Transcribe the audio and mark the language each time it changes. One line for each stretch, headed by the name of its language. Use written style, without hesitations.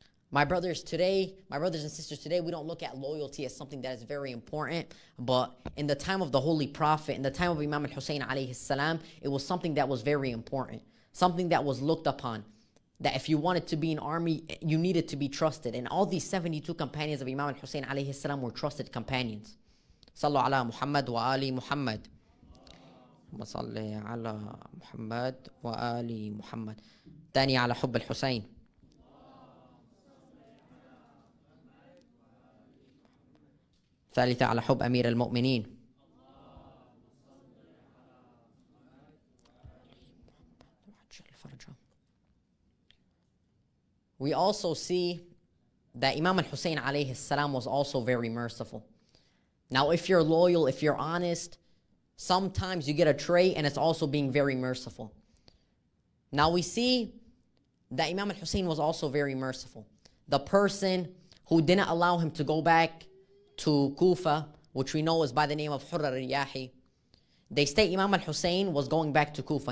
English: My brothers today, my brothers and sisters today, we don't look at loyalty as something that is very important. But in the time of the Holy Prophet, in the time of Imam al-Hussein alayhi salam, it was something that was very important. Something that was looked upon. That if you wanted to be an army, you needed to be trusted. And all these 72 companions of Imam al-Hussein alayhi salam were trusted companions.
Arabic: صلوا على محمد وآل محمد وصلي على محمد وآل محمد تاني على حب الحسين ثالثة على حب أمير المؤمنين
English: We also see that Imam al-Hussein عليه السلام was also very merciful. Now, if you're loyal, if you're honest, sometimes you get a trait and it's also being very merciful. Now, we see that Imam al-Hussein was also very merciful. The person who didn't allow him to go back to Kufa, which we know is by the name of Hurr al-Riyahi, they state Imam al-Hussein was going back to Kufa.